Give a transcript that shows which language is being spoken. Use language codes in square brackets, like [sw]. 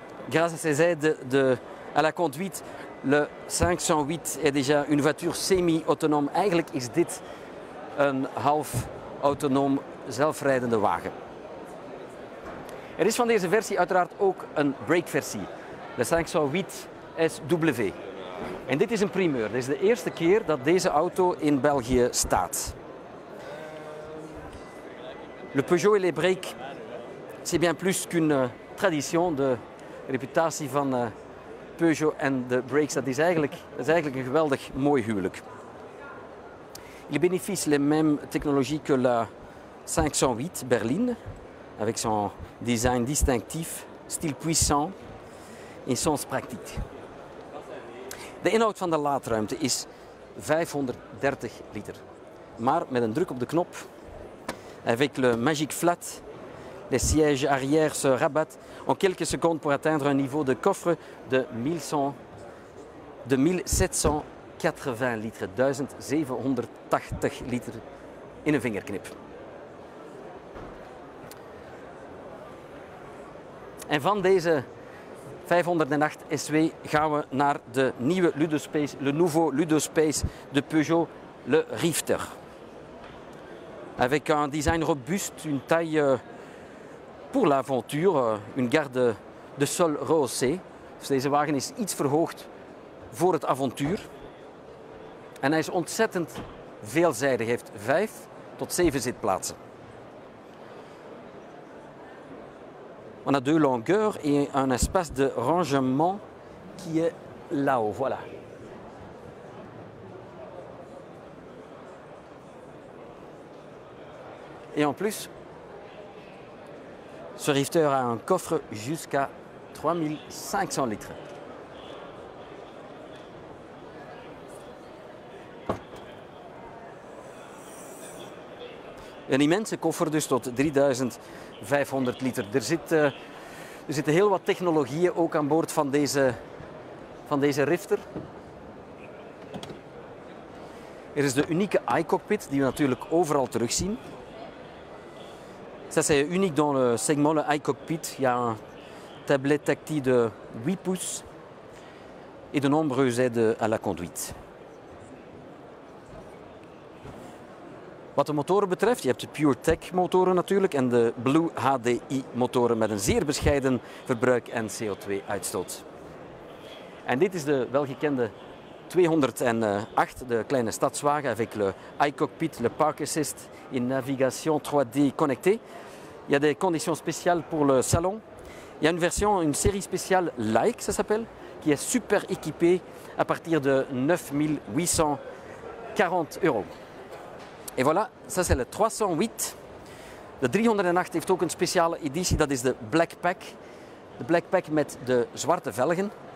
[fr] Grâce à ces aides à la conduite, le 508 est déjà une voiture semi-autonome. [nl] Eigenlijk is dit een half autonoom zelfrijdende wagen. Er is van deze versie uiteraard ook een brake versie, de 508 SW. En dit is een primeur. Dit is de eerste keer dat deze auto in België staat. [fr] Le Peugeot et les brakes, c'est bien plus qu'une tradition, [nl] de réputation van Peugeot en de brakes. Dat is eigenlijk een geweldig mooi huwelijk. [fr] Il bénéficie les mêmes technologies que la 508 berline, avec son design distinctif, style puissant et sens pratique. [nl] De inhoud van de laadruimte is 530 liter. Maar met een druk op de knop, [fr] avec le magic flat, les sièges arrière se rabattent en quelques secondes pour atteindre un niveau de coffre de 1780 liter. [nl] 1780 liter in een vingerknip. En van deze 508 SW gaan we naar de nieuwe Ludospace, [fr] le nouveau Ludospace de Peugeot, le Rifter. Avec un design robuste, une taille pour l'aventure, une garde de sol rehaussée. [nl] Dus deze wagen is iets verhoogd voor het avontuur. En hij is ontzettend veelzijdig, hij heeft 5 tot 7 zitplaatsen. [fr] On a deux longueurs et un espace de rangement qui est là-haut, voilà. Et en plus, ce Rifter a un coffre jusqu'à 3500 litres. [nl] Een immense koffer, dus tot 3500 liter. Er zitten heel wat technologieën ook aan boord van deze Rifter. Er is de unieke i-cockpit, die we natuurlijk overal terugzien. [fr] Ça c'est unique dans le segment, le i-cockpit. Il y a un tablet tactile de 8 pouces et de nombreuses aides à la conduite. [nl] Wat de motoren betreft, je hebt de PureTech motoren natuurlijk en de Blue HDI motoren met een zeer bescheiden verbruik en CO2-uitstoot. En dit is de welgekende 208, de kleine stadswagen, [fr] avec le i-cockpit, le park assist in navigation 3D connecté. Il y a des conditions spéciales pour le salon. Il y a une version, une série spéciale Like, ça s'appelle, qui est super équipée à partir de 9 840 euros. Et voilà, ça c'est le 308. [nl] Le 308 heeft ook een speciale éditie, dat is de Black Pack. De Black Pack met de zwarte velgen.